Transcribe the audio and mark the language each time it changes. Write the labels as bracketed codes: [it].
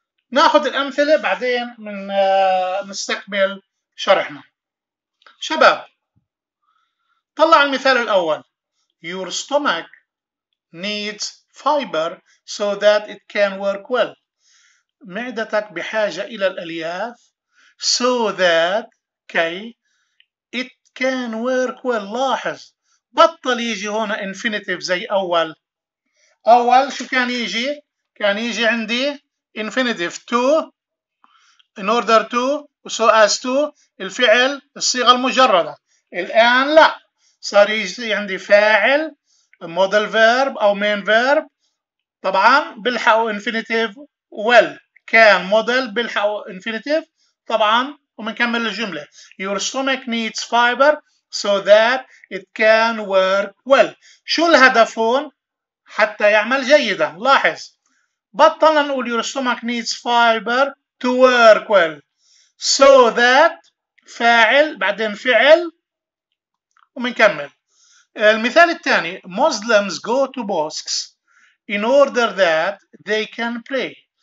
[ar] ناخذ الأمثلة بعدين نستكمل شرحنا. شباب، طلع المثال الأول. [en] Your stomach needs fiber so that it can work well. [ar] معدتك بحاجة إلى الألياف so that كي [en] it can work well. [ar] لاحظ بطل يجي هنا infinitive زي أول. أول شو كان يجي؟ كان يجي عندي infinitive to in order to so as to، الفعل الصيغة المجردة. الآن لا، صار يجي عندي فاعل model verb أو main verb، طبعا بلحقوا infinitive well، كان model بلحقوا infinitive طبعا، ومنكمل الجملة. [en] Your stomach needs fiber so that it can work well. [ar] شو الهدف هون؟ حتى يعمل جيدا. لاحظ بطلنا نقول [en] your stomach needs fiber to work well، [ar] so that فاعل بعدين فعل ومنكمل. [en] المثال الثاني، Muslims go to mosques in order that they can pray.